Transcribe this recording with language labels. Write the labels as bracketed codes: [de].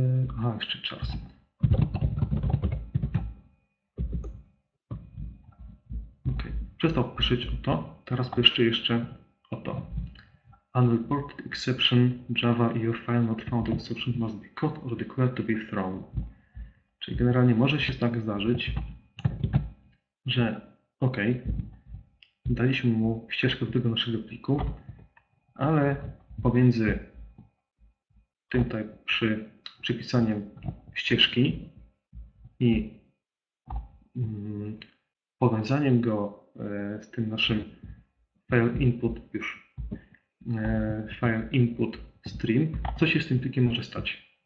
[pl] Aha, jeszcze czas. Ok, przestał pyszczeć o to, teraz pyszczy jeszcze o to. [en] Unreported exception Java your file not found exception must be caught or declared to be thrown. [pl] Czyli generalnie może się tak zdarzyć, że ok, daliśmy mu ścieżkę do tego naszego pliku, ale pomiędzy tym tutaj przypisaniem ścieżki i powiązaniem go z tym naszym file input już file input stream, co się z tym plikiem może stać?